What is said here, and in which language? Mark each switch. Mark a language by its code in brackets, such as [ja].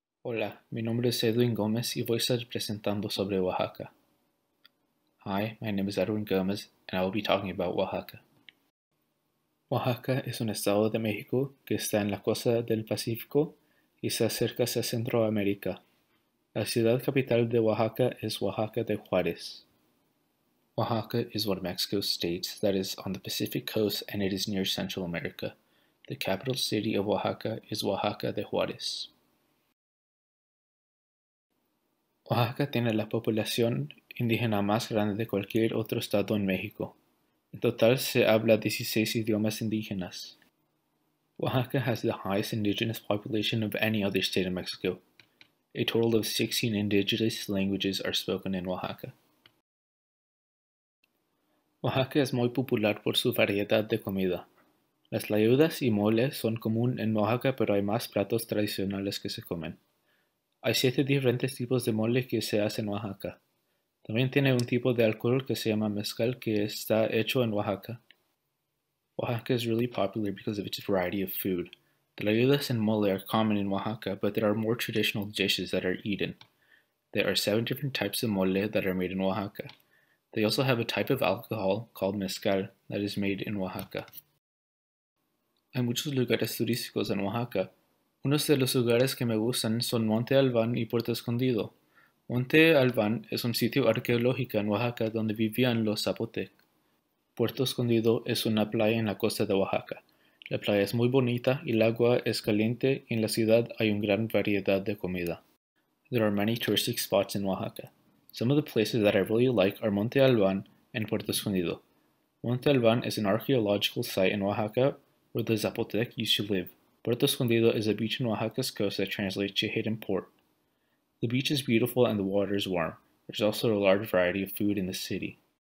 [es] Hola, mi nombre es Edwin Gómez y voy a estar presentando sobre Oaxaca. [en] Hi, my name is Edwin Gómez and I will be talking about Oaxaca. [es] Oaxaca es un estado de México que está en la costa del Pacífico y se acerca hacia Centroamérica. La ciudad capital de Oaxaca es Oaxaca de Juárez. [en] Oaxaca is one of Mexico's states that is on the Pacific coast and it is near Central America. The capital city of Oaxaca is Oaxaca de Juárez. [es] Oaxaca tiene la población indígena más grande de cualquier otro estado en México. En total se habla 16 idiomas indígenas. [en] Oaxaca has the highest indigenous population of any other state in Mexico. A total of 16 indigenous languages are spoken in Oaxaca. [es] Oaxaca es muy popular por su variedad de comida. Las tlayudas y mole son comunes en Oaxaca, pero hay más platos tradicionales que se comen. Hay 7 diferentes tipos de mole que se hace en Oaxaca. También tiene un tipo de alcohol que se llama mezcal que está hecho en Oaxaca. [en] Oaxaca is really popular because of its variety of food. Tlayudas and mole are common in Oaxaca, but there are more traditional dishes that are eaten. There are 7 different types of mole that are made in Oaxaca. They also have a type of alcohol called mezcal that is made in Oaxaca. [es] Hay muchos lugares turísticos en Oaxaca. Unos de los lugares que me gustan son Monte Albán y Puerto Escondido. Monte Albán es un sitio arqueológico en Oaxaca donde vivían los zapotecas. Puerto Escondido es una playa en la costa de Oaxaca. La playa es muy bonita y el agua es caliente y en la ciudad hay una gran variedad de comida. [en] There are many touristic spots in Oaxaca. Some of the places that I really like are Monte Albán and Puerto Escondido. Monte Albán is an archaeological site in Oaxaca where the Zapotec used to live. Puerto Escondido is a beach in Oaxaca's coast that translates to hidden port. The beach is beautiful and the water is warm. There's also a large variety of food in the city.